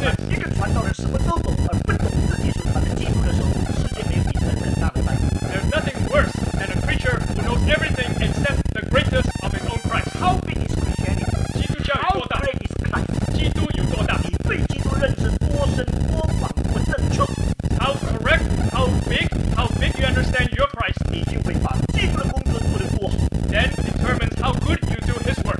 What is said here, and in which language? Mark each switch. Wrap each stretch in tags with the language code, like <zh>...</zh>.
<zh>一个传道人什么都懂，而不懂自己所传的基督的时候，世界没有比这更大的败笔。</zh> <en>There's nothing worse than a preacher who knows everything except the greatness of his own Christ. How big is Christianity?</en> <zh>基督教有多大</zh> <en>？How great is Christ?</en> <zh>基督有多大？你对基督认识多深、多广、多正确</zh> <en>？How correct? How big? How big you understand your Christ?</en> <zh>你就会把基督的工作做得多好。</zh> <en>Then determines how good you do His work.</en>